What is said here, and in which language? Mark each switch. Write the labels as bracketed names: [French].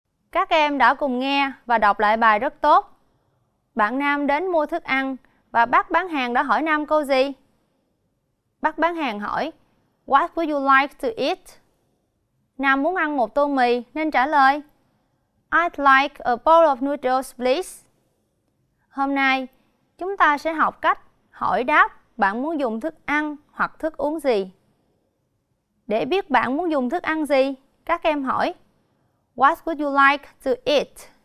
[Vietnamese] Các em đã cùng nghe và đọc lại bài rất tốt. Bạn Nam đến mua thức ăn và bác bán hàng đã hỏi Nam câu gì? Bác bán hàng hỏi, [English] What would you like to eat? [Vietnamese] Nam muốn ăn một tô mì nên trả lời, [English] I'd like a bowl of noodles, please. [Vietnamese] Hôm nay, chúng ta sẽ học cách hỏi đáp bạn muốn dùng thức ăn hoặc thức uống gì. Để biết bạn muốn dùng thức ăn gì, các em hỏi, [English] What would you like to eat?